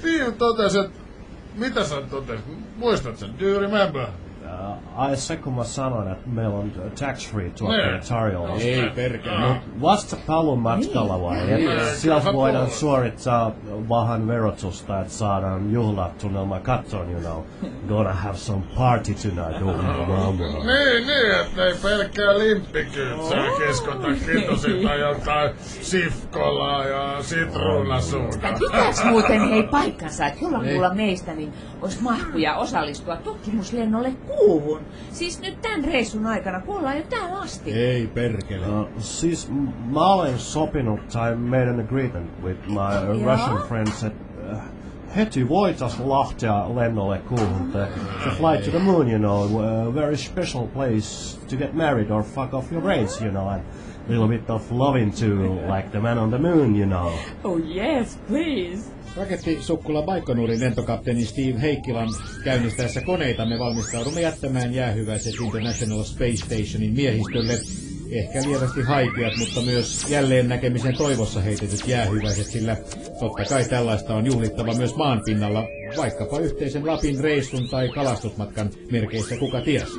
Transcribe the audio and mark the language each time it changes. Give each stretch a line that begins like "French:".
Finnish: Steve totesi, mitä sä totesit? Muistat sen?
English: Do you remember?
Finnish: Ai se, kun mä sanoin, että meillä on tax-free tuotteet tarjolla. Ei perkele. No, vasta palun matkalla vai? Niin. Sieltä voidaan suorittaa vähän verotusta, että saadaan juhlatunnelma katsoa,
English: you know. Gonna have some party tonight. Oh,
Finnish: niin, niin, ettei pelkkää limppikyytsää keskota kitosilta jotain sifkolaa ja sitruunasuuta. Pitääks muuten hei paikkansa, että jolla mulla meistä, niin ois mahkuja osallistua tutkimuslennolle kuuhun. Siis nyt tän reissun aikana, kun ollaan jo tää asti. Ei perkele. Siis mä olen sopinut tai
English: made an agreement with my Russian friends,
Finnish: että heti voitais lahtia lennolle kuuhun.
English: To fly to the moon, you know, a very special place to get married or fuck off your brains, you know. And a little bit of loving too, like the man on the moon, you know. Oh yes, please.
Finnish: Rakettisukkula Baikonurin lentokapteeni Steve Heikkilan käynnistäessä koneita me valmistaudumme jättämään jäähyväiset International Space Stationin miehistölle. Ehkä lievästi haikeat, mutta myös jälleen näkemisen toivossa heitetyt jäähyväiset, sillä totta kai tällaista on juhlittava myös maan pinnalla, vaikkapa yhteisen Lapin reissun tai kalastusmatkan merkeissä kuka ties.